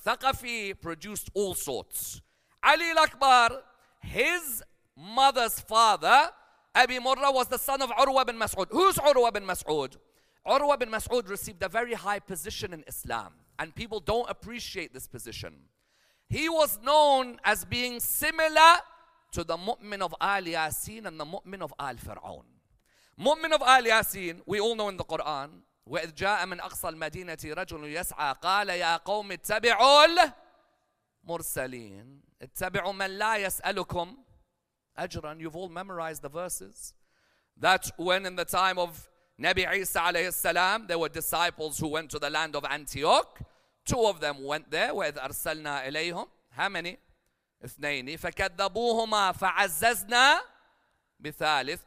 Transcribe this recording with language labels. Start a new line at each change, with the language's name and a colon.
English: Thaqafi produced all sorts. Ali al-Akbar, his mother's father, Abi Murra, was the son of Urwa bin Mas'ud. Who's Urwa bin Mas'ud? Urwa bin Mas'ud received a very high position in Islam, and people don't appreciate this position. He was known as being similar to the Mu'min of Al Yasin and the Mu'min of Al Fir'aun. Mu'min of Al Yasin, we all know in the Quran,
Arabic: وَإِذْ جَاءَ مِنْ أَقْصَى الْمَدِينَةِ رَجُلٌ يَسْعَى قَالَ يَا قَوْمِ اتَّبِعُوا الْمُرْسَلِينَ اتَّبِعُوا مَنْ لَا يَسْأَلُكُمْ أَجْرًا.
English: You've all memorized the verses. That when in the time of Nabi Isa alayhi salam, there were disciples who went to the land of Antioch. Two of them went there.
Arabic: وَإِذْ أَرْسَلْنَا إِلَيْهُمْ.
English: How many?
Arabic: اثنين. فَكَذَّبُوهُمَا فَعَزَّزْنَا بِثَالِث.